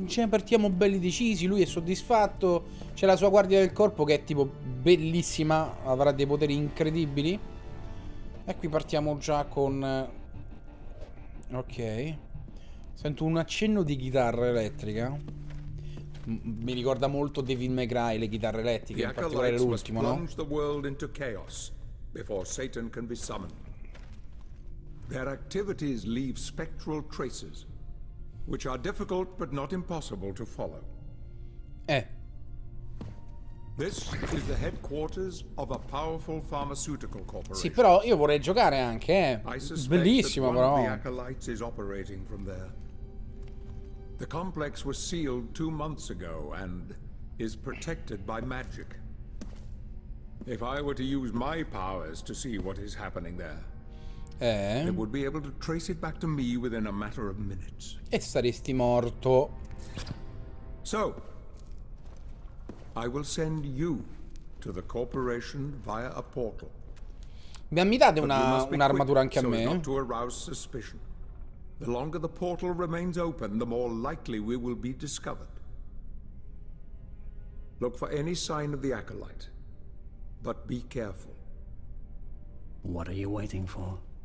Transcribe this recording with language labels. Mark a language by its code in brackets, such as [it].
[it] Ce ne partiamo belli decisi. Lui è soddisfatto. C'è la sua guardia del corpo che è tipo bellissima. Avrà dei poteri incredibili. E qui partiamo già con... Ok. Sento un accenno di chitarra elettrica. Mi ricorda molto Devil May Cry, le chitarre elettriche, in particolare l'ultimo, no? [en] The world into chaos before Satan can be summoned. Their activities leave spectral traces, which are difficult but not impossible to follow. This is the headquarters of a powerful pharmaceutical corporation. [it] Sì, però io vorrei giocare anche, Bellissimo, però. [en] The Acolytes is operating from there. The complex was sealed 2 months ago and is protected by magic. If I were to use my powers to see what is happening there, they would be able to trace it back to me within a matter of minutes. [it] E saresti morto. [en] So, I will send you to the corporation via a portal. [it] Mi date un'armatura anche a me? [en] So as not to arouse suspicion. The longer the portal remains open, the more likely we will be discovered. Look for any sign of the Acolyte, but be careful. What are you waiting for?